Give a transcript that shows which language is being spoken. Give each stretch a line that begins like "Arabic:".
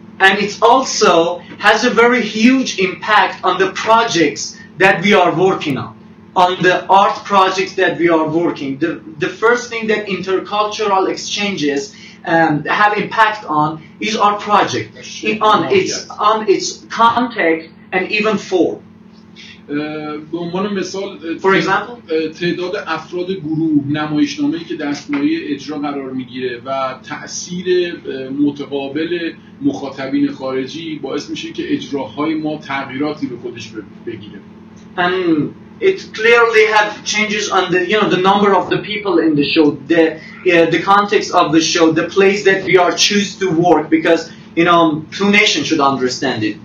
English: And it also has a very huge impact on the projects that we are working on the art projects that we are working. The first thing that intercultural exchanges have impact on is our project, on its context and even form.
Persian: به عنوان مثال
English: For example?
Persian: تعداد افراد گروه نمایشنامه‌ای که دستمایه اجرا قرار میگیره و تأثیر متقابل مخاطبین خارجی باعث میشه که اجراهای ما تغییراتی به خودش بگیره.
English: And it clearly have changes on the, you know, the number of the people in the show, the context of the show, the place that we are choose to work, because you know, two nations should understand it.